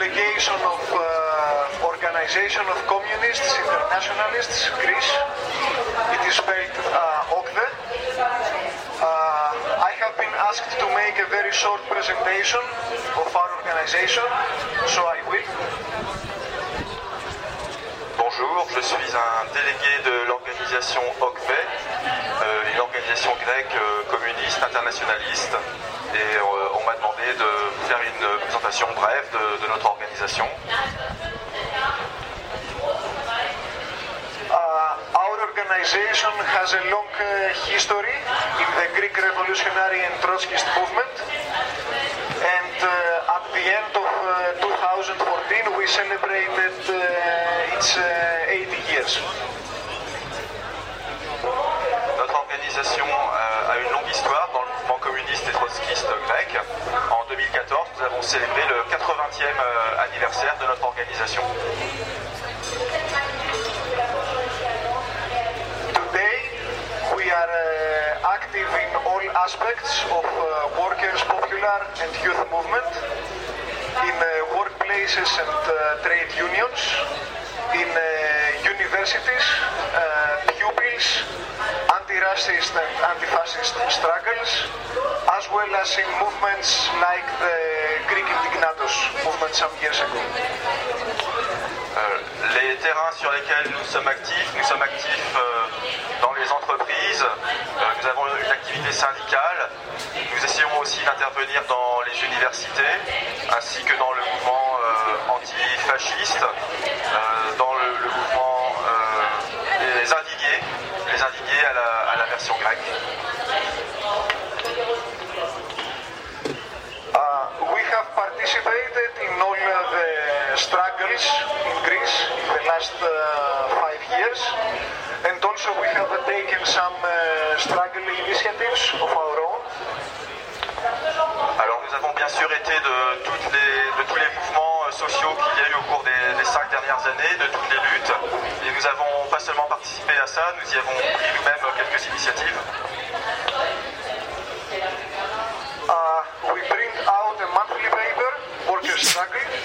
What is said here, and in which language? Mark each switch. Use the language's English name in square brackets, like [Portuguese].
[English] Association of Organization of Communists, Internationalists, Greece. It is spelled OCDE. I have been asked to make a very short presentation of our organization, so I will. [French] Bonjour, je suis un délégué de l'organisation OCDE, une organisation grecque communiste internationaliste, et on m'a demandé de faire une présentation brève de notre organisation. [English] Our organization has a long history in the Greek revolutionary and Trotskyist movement, and at the end of 2014 we celebrated its 80 years. [French] Notre organisation a une longue histoire dans le mouvement communiste et trotskiste grec. En 2014, nous avons célébré le 80e anniversaire de notre organisation. [English] Today, we are active in all aspects of workers' popular and youth movement, in workplaces and trade unions, in universities, pupils, anti-racist and anti-fascist struggles, as well as in movements like the Greek Indignados movement some years ago. [French] Les terrains sur lesquels nous sommes actifs dans les entreprises, nous avons une activité syndicale, nous essayons aussi d'intervenir dans les universités, ainsi que dans le mouvement anti-fasciste, dans le mouvement les indignés à la version grecque. [English] We have participated in all the struggles in Greece in the last 5 years, and also we have taken some struggle initiatives of our own. [French] Alors nous avons bien sûr été de tous les mouvements sociaux qu'il y a eu au cours des 5 dernières années, de toutes les luttes, et nous avons pas seulement participé à ça, nous y avons pris nous-mêmes quelques initiatives. [English] We bring out a monthly paper, Workers' Struggle.